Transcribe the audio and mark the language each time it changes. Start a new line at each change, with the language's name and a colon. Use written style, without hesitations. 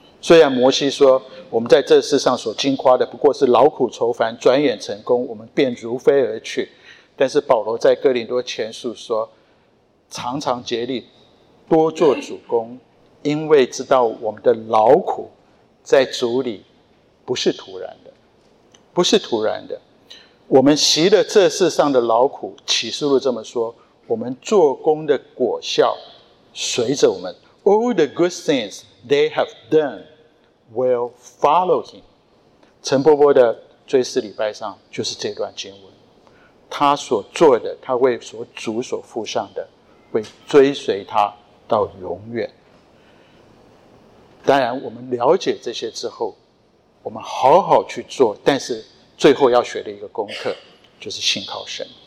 Chinese: 虽然摩西说我们在这世上所经夸的不过是劳苦愁烦，转眼成功我们便如飞而去，但是保罗在哥林多前书说，常常竭力多做主工，因为知道我们的劳苦在主里不是徒然的，不是徒然的。我们习了这世上的劳苦，启示录这么说，我们做工的果效随着我们。
English: All the good things they have done will follow him。
Chinese: 陈伯伯的追思礼拜上就是这段经文，他所做的，他为所主所付上的，会追随他到永远。当然我们了解这些之后，我们好好去做，但是最后要学的一个功课就是信靠神。